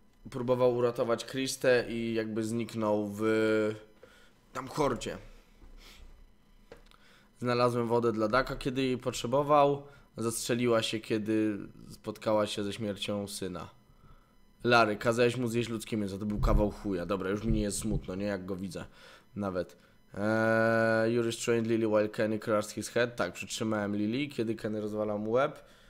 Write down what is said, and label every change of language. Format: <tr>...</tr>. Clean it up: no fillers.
<pl>Próbował uratować Christę i jakby zniknął w... tam horcie. Znalazłem wodę dla Daka, kiedy jej potrzebował. Zastrzeliła się, kiedy spotkała się ze śmiercią syna. Larry, kazałeś mu zjeść ludzkie mięso. To był kawał chuja. Dobra, już mi nie jest smutno, nie? Jak go widzę. Nawet.</pl> <en>You restrained Lily while Kenny crushed his head.</en> <pl>Tak, przytrzymałem Lily, kiedy Kenny rozwalał mu łeb.</pl>